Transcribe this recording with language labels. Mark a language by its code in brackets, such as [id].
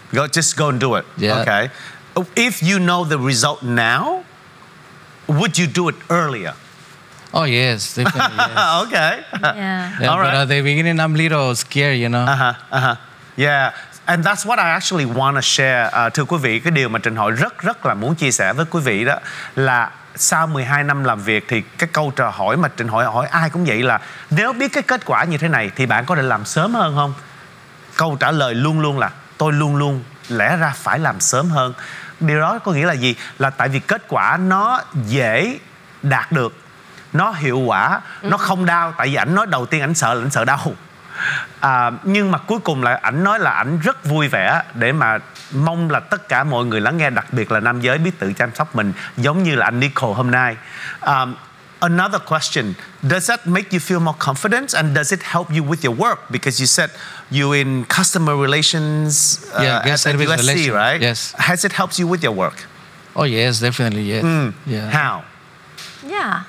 [en] Just go and do it. Yeah. Okay. If you know the result now, would you do it earlier? Oh, yes, definitely, yes. Okay. Yeah. All right. But at the beginning, I'm a little scared, you know. Yeah. And that's what I actually want to share. [vi] Thưa quý vị, cái điều mà Trình Hội rất rất là muốn chia sẻ với quý vị đó là sau 12 năm làm việc thì cái câu trò hỏi mà Trình Hội hỏi ai cũng vậy là nếu biết cái kết quả như thế này thì bạn có thể làm sớm hơn không? Câu trả lời luôn luôn là tôi luôn luôn lẽ ra phải làm sớm hơn. Điều đó có nghĩa là gì? Là tại vì kết quả nó dễ đạt được, nó hiệu quả, nó không đau. Tại vì ảnh nói đầu tiên ảnh sợ đau. Nhưng mà cuối cùng là ảnh nói là ảnh rất vui vẻ để mà mong là tất cả mọi người lắng nghe, đặc biệt là nam giới biết tự chăm sóc mình giống như là anh Nicole hôm nay. [en] Another question, does that make you feel more confident and does it help you with your work? Because you said you in customer relations, at USC, relation. Right? Yes. Has it helped you with your work? Oh, yes, definitely, yes. Mm. Yeah. How? Yeah.